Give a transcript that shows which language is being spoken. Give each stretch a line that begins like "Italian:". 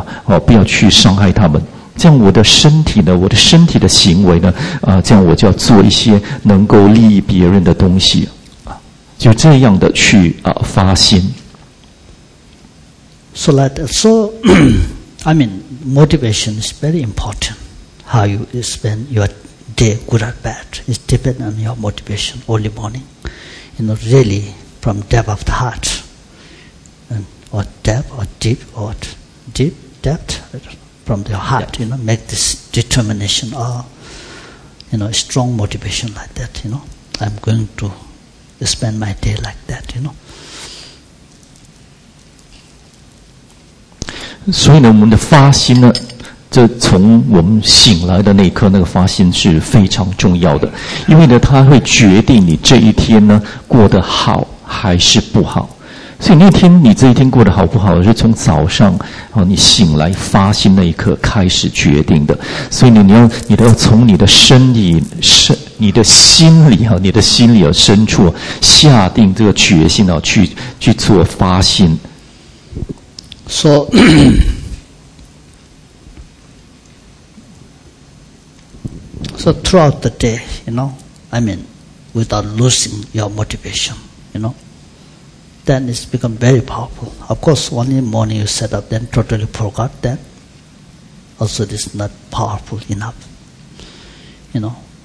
Chinese: 这样，你就从你的心里啊，打从你的心里啊，这样的去发心了。这样，如果我要避免恶业，然后我要多做善业的话呢，这样我就不去伤害别人啊，怎样不去伤害别人呢？你心里已经发心了，这样你的嘴里呢，你的语业是怎么样的？我口里讲出来的话，今天讲出来的话，就要能够给其他的听的人呢带来利益啊，哦，不要去伤害他们。这样我的身体呢，我的身体的行为呢，这样我就要做一些能够利益别人的东西，就这样的去发心。So
English: like that. So, I mean, motivation is very important. How you spend your day, good or bad, is dependent on your motivation. Early morning, you know, really from depth of the heart, or depth, or deep, or deep depth. From your heart, you know, make this determination or, you know, strong motivation like that, you know. I'm going to spend my day like that, you know.
Chinese: 所以呢，我们的发心呢，这从我们醒来的那一刻，那个发心是非常重要的，因为呢，它会决定你这一天呢过得好还是不好。所以那天你这一天过得好不好，是从早上你醒来发心那一刻开始决定的。所以你都要从你的身体身你的心里啊，你的心里啊深处下定这个决心啊，去做发心。
English: So, so throughout the day, you know, I mean, without losing your motivation, you know, then it's become very powerful. Of course, one in the morning you set up, then totally forgot, then also this is not powerful enough, you know.